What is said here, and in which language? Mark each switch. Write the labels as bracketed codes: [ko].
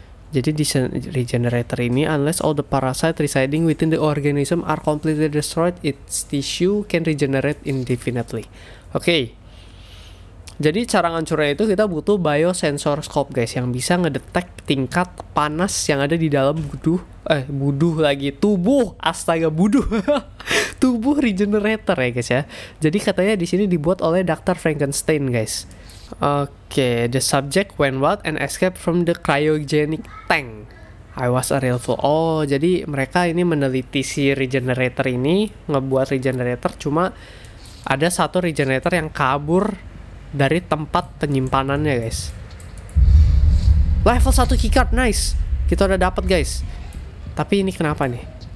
[id] Jadi di regenerator ini, [en] unless all the parasite residing within the organism are completely destroyed, its tissue can regenerate indefinitely. Oke. [id] Jadi cara ngancurnya itu kita butuh biosensorscope guys yang bisa ngedetek tingkat panas yang ada di dalam tubuh regenerator ya guys ya. Jadi katanya di sini dibuat oleh Dr. Frankenstein guys. [en] Oke, the subject went wild and escaped from the cryogenic tank. I was a real fool. [id] Oh, jadi mereka ini meneliti si regenerator ini, ngebuat regenerator, cuma ada satu regenerator yang kabur dari tempat penyimpanannya guys. Level 1 keycard, nice. Kita udah dapat guys. Tapi ini kenapa nih?